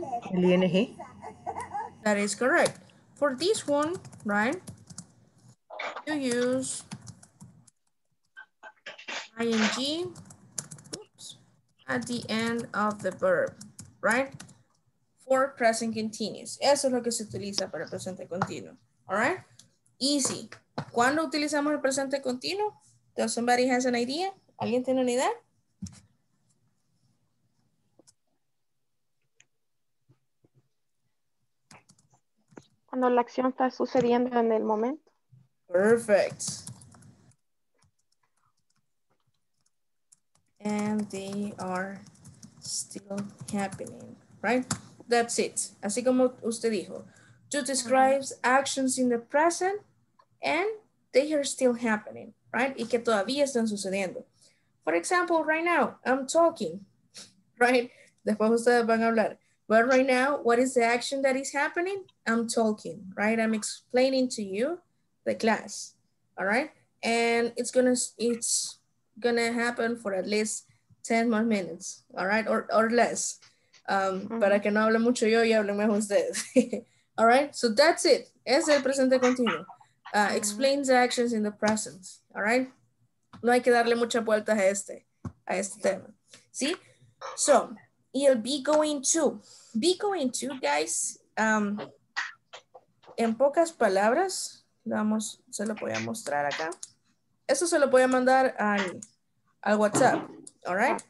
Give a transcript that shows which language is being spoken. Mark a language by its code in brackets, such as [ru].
[es] El ING. [en] That is correct. For this one, right, you use ING at the end of the verb, right? For present continuous. [es] Eso es lo que se utiliza para el presente continuo. [en] All right? Easy. [es] ¿Cuándo utilizamos el presente continuo? [en] Does somebody has an idea? [es] ¿Alguien tiene una idea? Cuando la acción está sucediendo en el momento. [en] Perfect. And they are still happening, right? That's it. [es] Así como usted dijo, [en] to describe actions in the present and they are still happening, right? [es] Y que todavía están sucediendo. [en] For example, right now, I'm talking, right? [es] Después ustedes van a hablar. [en] But right now, what is the action that is happening? I'm talking, right? I'm explaining to you the class, all right? And it's gonna happen for at least 10 more minutes, all right, or less. [es] Para que no hable mucho yo y hable mejor ustedes. [en] All right, so that's it. [es] Es el presente continuo. [en] Explains the actions in the present, all right? [es] No hay que darle muchas vueltas a este tema, ¿sí? So, y el be going to, guys, en pocas palabras, vamos, se lo voy a mostrar acá. Eso se lo voy a mandar al WhatsApp, [en] all right?